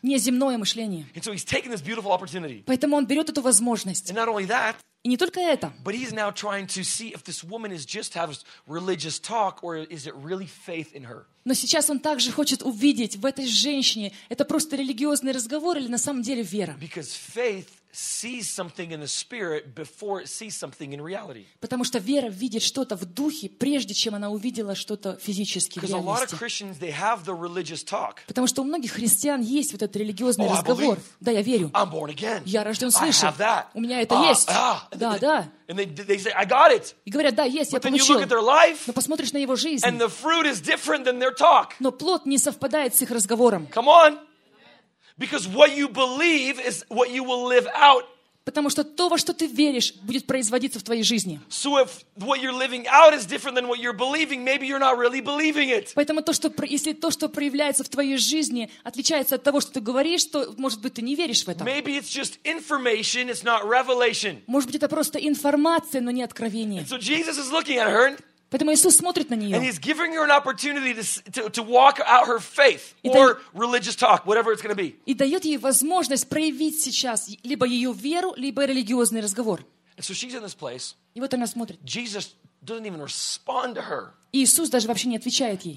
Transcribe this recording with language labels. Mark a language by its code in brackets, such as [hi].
[ru] Не земное мышление. [en] And so he's taking this beautiful opportunity. [ru] Поэтому он берет эту возможность. [en] And not only that. [ru] И не только это. [en] But he's now trying to see if this woman is just has religious talk or is it really faith in her. [ru] Но сейчас он также хочет увидеть в этой женщине, это просто религиозный разговор или на самом деле вера. [en] Because faith sees something in the spirit before it sees something in reality. [ru] Потому что вера видит что-то в духе, прежде чем она увидела что-то физически, в реальности. [en] Because a lot of Christians, they have the religious talk. [ru] Потому что у многих христиан есть вот этот религиозный разговор. [en] Believe. [ru] Да, я верю. [en] I'm born again. [ru] Я рожден свыше. [en] I have that. [ru] У меня это есть. Да, да. [en] And they say, I got it. [ru] И говорят, да, есть, [en] But [ru] я получил. [en] Then you look at their life, [ru] но посмотришь на его жизнь. [en] And the fruit is different than their talk. [ru] Но плод не совпадает с их разговором. [en] Come on. Because what you believe is what you will live out. [ru] Потому что то, во что ты веришь, будет производиться в твоей жизни. [en] So if what you're living out is different than what you're believing, maybe you're not really believing it. [ru] Поэтому если то, что проявляется в твоей жизни, отличается от того, что ты говоришь, то, может быть, ты не веришь в это. [en] Maybe it's just information, it's not revelation. [ru] Может быть, это просто информация, но не откровение. [en] And so Jesus is looking at her. [ru] Поэтому Иисус смотрит на нее. [en] And he's giving her an opportunity to walk out her faith or religious talk, whatever it's going to be. [ru] И дает ей возможность проявить сейчас либо ее веру, либо религиозный разговор. [en] And so she's in this place. [ru] И вот она смотрит. [en] Jesus doesn't even respond to her. [ru] Иисус даже вообще не отвечает ей.